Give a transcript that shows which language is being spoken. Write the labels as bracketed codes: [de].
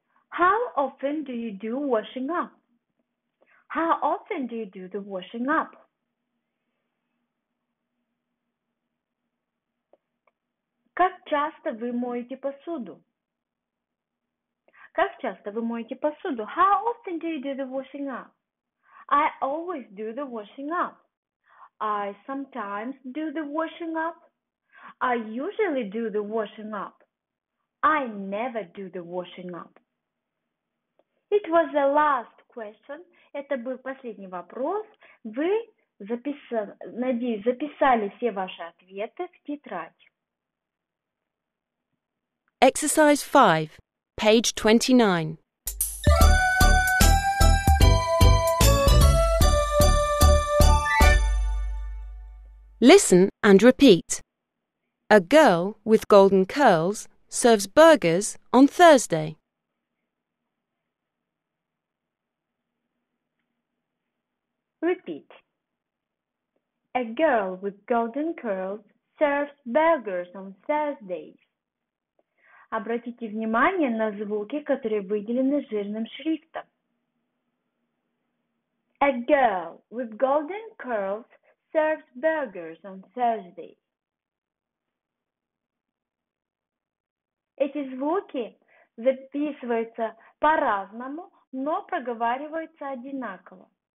[en] How often do you do washing up? How often do you do the washing up? [ru] Как часто вы моете посуду? Как часто вы моете посуду? [en] How often do you do the washing up? I always do the washing up. I sometimes do the washing up. I usually do the washing up. I never do the washing up. It was the last question. [ru] Это был последний вопрос. Вы записали все ваши ответы в тетрадь. [en] Exercise 5, page 29. Listen and repeat. A girl with golden curls serves burgers on Thursday. Repeat. A girl with golden curls serves burgers on Thursdays. [ru] Обратите внимание на звуки, которые выделены жирным шрифтом. [en] A girl with golden curls serves burgers on Thursday. [ru] Эти звуки записываются по-разному, но проговариваются одинаково.